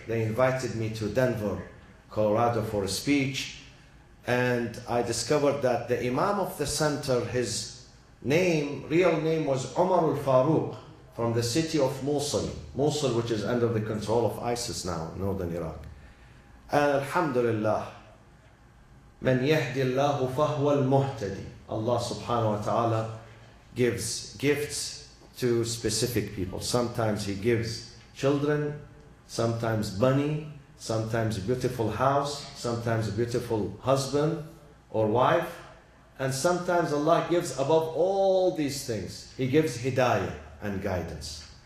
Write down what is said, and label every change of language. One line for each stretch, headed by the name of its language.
English: They invited me to Denver, Colorado for a speech. And I discovered that the Imam of the center, his name, real name was Omar al-Farouq, from the city of Mosul. Mosul, which is under the control of ISIS now, northern Iraq.
Arabic: And alhamdulillah, من يهدي الله فهو المهتدي.
English: Allah subhanahu wa ta'ala gives gifts to specific people. Sometimes He gives children, sometimes money, sometimes a beautiful house, sometimes a beautiful husband or wife. And sometimes Allah gives above all these things, He gives hidayah and guidance.